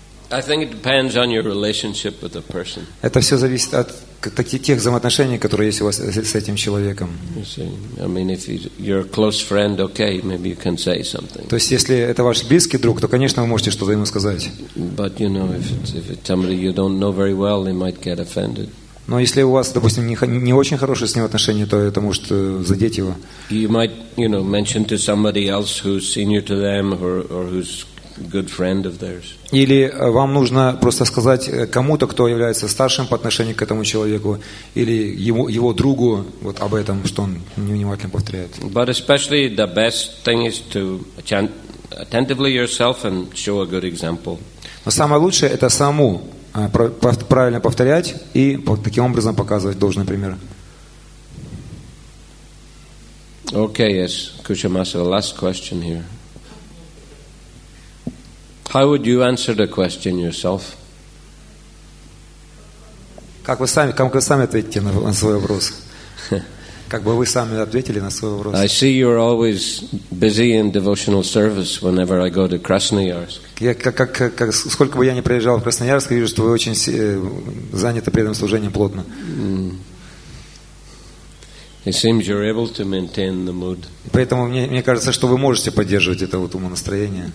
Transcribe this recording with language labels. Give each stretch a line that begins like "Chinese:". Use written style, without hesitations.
English: I think it depends on your relationship with the person.
Russian: Это все зависит от тех взаимоотношений, которые есть у вас с этим человеком.
English: You see, I mean, if you're a close friend, okay, maybe you can say something.
Russian: То есть, если это ваш близкий друг, то, конечно, вы можете что-то ему сказать.
English: But you know, if it's somebody you don't know very well, they might get offended.
Russian: Но если у вас, допустим, не очень хорошие с ним отношения, то это может задеть его.
English: You might, you know, mention to somebody else who's senior to them or who's good friend of theirs.
Russian: Или вам нужно просто сказать кому-то, кто является старшим по отношению к этому человеку, или его другу вот об этом, что он невнимательно повторяет.
English: But especially the best thing is to attentively yourself and show a good example.
Russian: Но самое лучшее это саму правильно повторять и таким образом показывать должный пример.
English: Okay, yes. Кушамаса, last question here. How would you answer the question yourself?
Russian: Как вы сами ответите на свой вопрос? Как бы вы сами ответили на свой вопрос?
English: I see you're always busy in devotional service whenever I go to Krasnoyarsk.
Russian: Как сколько бы я ни приезжал в Красноярск, вижу, что вы очень заняты преданным служением плотно.
English: It seems you're able to maintain the mood.
Russian: Поэтому мне кажется, что вы можете поддерживать это вот умонастроение.